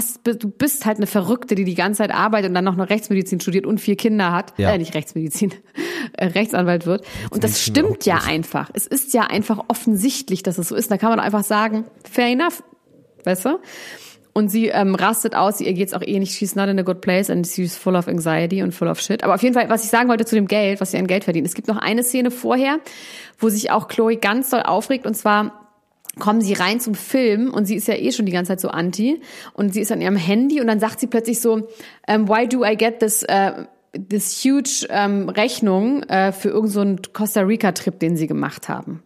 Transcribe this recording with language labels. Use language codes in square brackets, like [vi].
[de] Du bist halt eine Verrückte, die ganze Zeit arbeitet und dann noch Rechtsmedizin studiert und 4 Kinder hat. Ja. Nicht Rechtsmedizin, Rechtsanwalt wird. Und das stimmt ja einfach. Es ist ja einfach offensichtlich, dass es so ist. Da kann man einfach sagen, [en] fair enough, [de] weißt du? Und sie rastet aus, ihr geht's auch eh nicht. [en] She's not in a good place and she's full of anxiety and full of shit. [de] Aber auf jeden Fall, was ich sagen wollte zu dem Geld, was sie an Geld verdient. Es gibt noch eine Szene vorher, wo sich auch Chloe ganz doll aufregt und zwar kommen sie rein zum Film und sie ist ja eh schon die ganze Zeit so anti und sie ist an ihrem Handy und dann sagt sie plötzlich so, [en] why do I get this huge [de] Rechnung für irgend so einen Costa Rica Trip, den sie gemacht haben.